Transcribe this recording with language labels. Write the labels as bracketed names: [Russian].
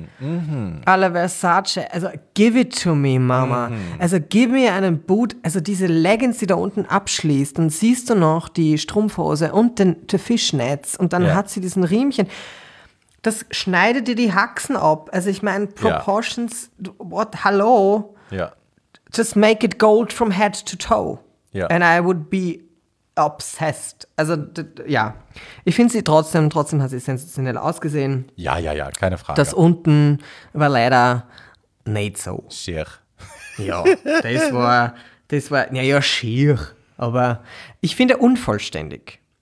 [English] Mm-hmm. Alla Versace. Also give it to me, Mama. Mm-hmm. [German] Also [English] give me [German] einen Boot. Also diese Leggings, die da unten abschließt, dann siehst du noch die Strumpfhose und den Fishnets und dann hat sie diesen Riemchen. Das schneidet dir die Haxen ab. Also ich meine, Proportions, hallo? Ja. [English] Just make it gold from head to toe. [German] Ja. [English] And I would be obsessed. [German] Also, ich finde sie trotzdem hat sie sensationell ausgesehen. Ja, keine Frage. Das unten war leider nicht so. Schier. Ja, das war, ja, ja, schier. Aber ich finde unvollständig.